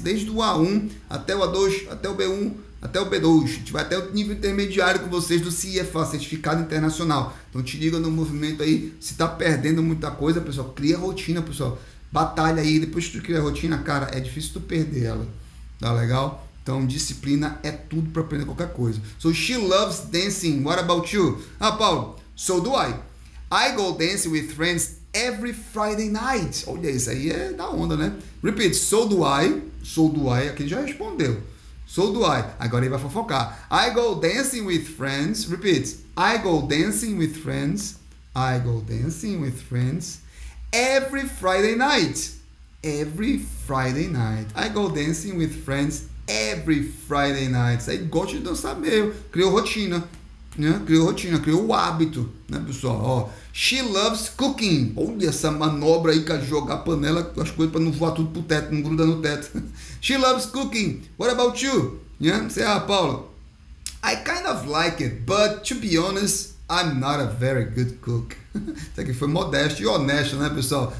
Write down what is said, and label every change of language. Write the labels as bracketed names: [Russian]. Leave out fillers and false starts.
[Portuguese] Desde o A1 até o A2, até o B1, até o B2. A gente vai até o nível intermediário com vocês do CIFA, Certificado Internacional. Então te liga no movimento aí. Se tá perdendo muita coisa, pessoal, cria rotina, pessoal. Batalha aí, depois que tu cria a rotina, cara, é difícil tu perder ela, tá legal? Então, disciplina é tudo pra aprender qualquer coisa. [English] So, she loves dancing, what about you? Ah, Paulo, so do I. I go dancing with friends every Friday night. [Portuguese] Olha, isso aí é da onda, né? [English] Repeat, so do I. So do I, [Portuguese] aqui já respondeu. So do I, agora ele vai fofocar. [English] I go dancing with friends, repeat. I go dancing with friends. I go dancing with friends. Every Friday night. Every Friday night. I go dancing with friends every Friday night. [Portuguese] Aí gosta de dançar mesmo. Criou rotina. Né? Criou rotina, criou o hábito. Né, pessoal? [English] Ó, she loves cooking. [Portuguese] Olha essa manobra aí, cara, jogar a panela com as coisas para não voar tudo pro teto, não grudar no teto. [English] She loves cooking. What about you? Yeah? [Portuguese] Sei lá, [English] Paulo. I kind of like it, but to be honest, I'm not a very good cook. [Portuguese] Isso aqui foi modesto e honesto, né, pessoal?